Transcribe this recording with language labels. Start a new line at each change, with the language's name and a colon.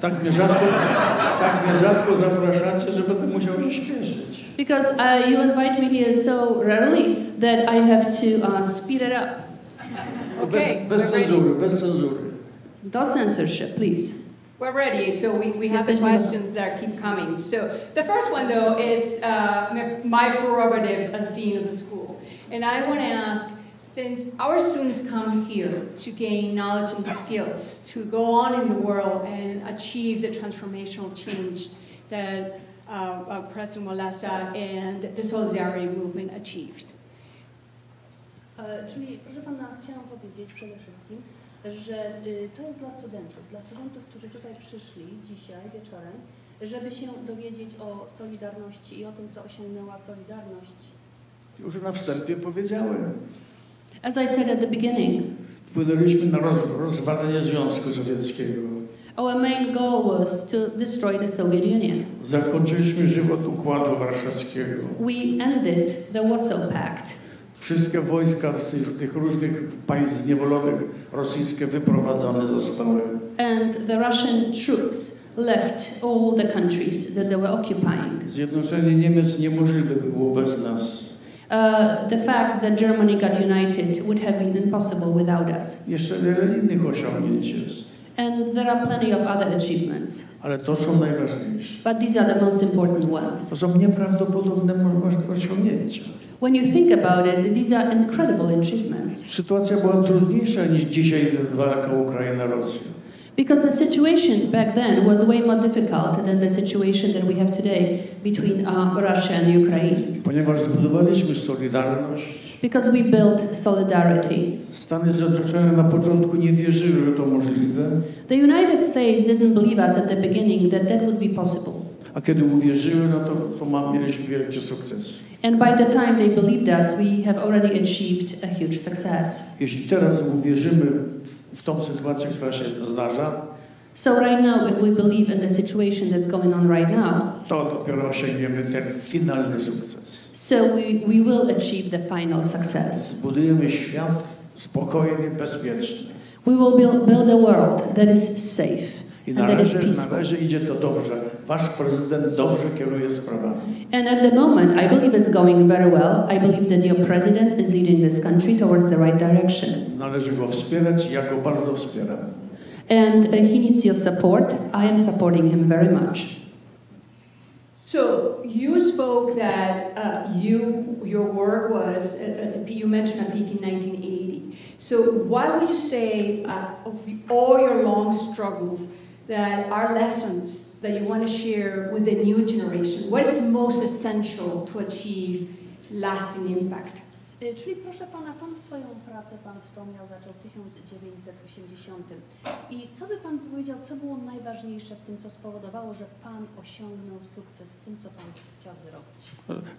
Polish: Tak mnie rzadko zapraszacie, że będę musiał się śpieszyć.
English: Because you invite me here so rarely that I have to speed it up.
Polish: Okay, bez cenzury.
English: Do censorship, please. We're ready, so we have the questions that keep coming. So the first one, though, is my prerogative as dean of the school. And I want to ask, Since our students come here to gain knowledge and skills to go on in the world and achieve the transformational change that President Wałęsa and the Solidarity Movement achieved.
Polish: Czyli, proszę pana, chciałam powiedzieć przede wszystkim, że to jest dla studentów, którzy tutaj przyszli dzisiaj wieczorem, żeby się dowiedzieć o Solidarności i o tym, co osiągnęła Solidarność. Już na wstępie powiedziałem.
English: As I said at the beginning,
Polish: wpłynęliśmy na rozwalenie Związku Sowieckiego.
English: Our main goal was to destroy the Soviet Union.
Polish: Zakończyliśmy żywot Układu Warszawskiego.
English: We ended the Warsaw Pact.
Polish: Wszystkie wojska z tych różnych państw zniewolonych rosyjskie wyprowadzone zostały.
English: And the Russian troops left all the countries that they were occupying.
Polish: Zjednoczenie Niemiec niemożliwe było bez nas.
English: The fact that Germany got united would have been impossible without us.
Polish: Jeszcze wiele innych osiągnięć jest.
English: And there are plenty of other achievements.
Polish: Ale to są najważniejsze.
English: But these are the most important ones.
Polish: To są nieprawdopodobne osiągnięcia.
English: When you think about it, these are incredible achievements.
Polish: Sytuacja była trudniejsza niż dzisiaj walka Ukraina-Rosja.
English: Because the situation back then was way more difficult than the situation that we have today between Russia and Ukraine.
Polish: Ponieważ zbudowaliśmy solidarność.
English: Because we built solidarity.
Polish: Stany Zjednoczone na początku nie wierzyły, że to możliwe.
English: The United States didn't believe us at the beginning that that would be possible.
Polish: A kiedy uwierzyły, no to mieliśmy wielkie sukcesy.
English: And by the time they believed us, we have already achieved a huge success.
Polish: Jeśli teraz uwierzymy w tą sytuację, która się zdarza,
English: so right now, if we believe in the situation that's going on right now,
Polish: to dopiero osiągniemy ten finalny sukces.
English: So we will achieve the final success.
Polish: Zbudujemy świat spokojny, bezpieczny.
English: We will build a world that is safe.
Polish: I
English: and
Polish: razie,
English: that is peaceful.
Polish: Na razie idzie to dobrze. Wasz prezydent dobrze kieruje sprawami.
English: And at the moment, I believe it's going very well. I believe that your president is leading this country towards the right direction.
Polish: Należy go wspierać, ja go bardzo wspieram.
English: And he needs your support. I am supporting him very much. So you spoke that your work was, you mentioned a peak in 1980. So why would you say of all your long struggles, that are lessons that you want to share with the new generation? What is most essential to achieve lasting impact?
Polish: Czyli proszę pana, pan swoją pracę, pan wspomniał, zaczął w 1980. I co by pan powiedział, co było najważniejsze w tym, co spowodowało, że pan osiągnął sukces w tym, co pan chciał zrobić?